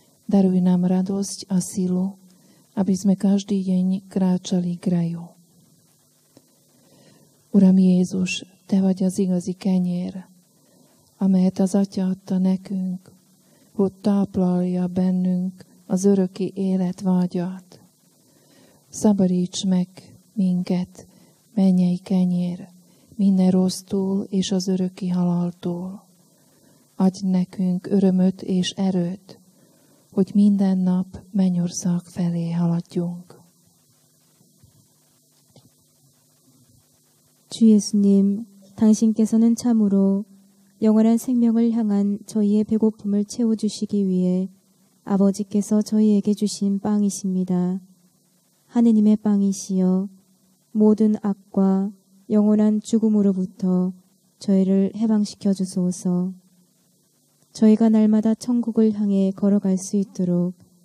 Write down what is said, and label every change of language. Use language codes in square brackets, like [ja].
[sk] Daruj nám radosť a silu, aby sme každý deň kráčali k raju. [hu] Uram Jézus, Te vagy az igazi kenyér, amelyet az Atya adta nekünk, hogy táplálja bennünk az öröki élet vágyát. Szabadíts meg minket, mennyei kenyér, minden rossztól és az öröki halaltól. Adj nekünk örömöt és erőt, hogy minden nap mennyország felé haladjunk. [ko] Csú Jézusnám, 당신께서는 참으로 영원한 생명을 향한 저희의 배고픔을 채워주시기 위해 아버지께서 저희에게 주신 빵이십니다. 하느님의 빵이시여 모든 악과 영원한 죽음으로부터 저희를 해방시켜 주소서. 저희가 날마다 천국을 향해 걸어갈 수 있도록